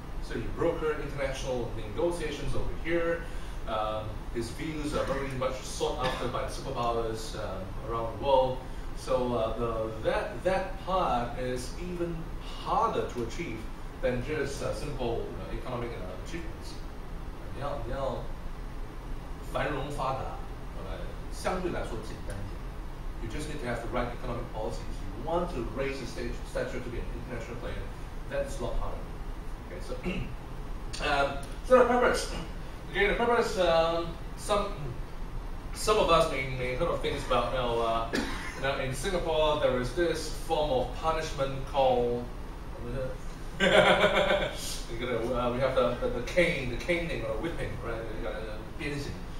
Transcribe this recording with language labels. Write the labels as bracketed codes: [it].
[en] So he brokered international negotiations over here. His views are very much sought after by superpowers around the world. So that part is even harder to achieve than just simple economic achievements. [zh] 你要繁荣发达，相对来说简单一点。 [en] You just need to have the right economic policies. You want to raise the stature to be an international player. That's a lot harder. Okay, so the purpose. Okay, the purpose. Some of us may heard of things about in Singapore there is this form of punishment called we have the caning or whipping, right? 鞭刑,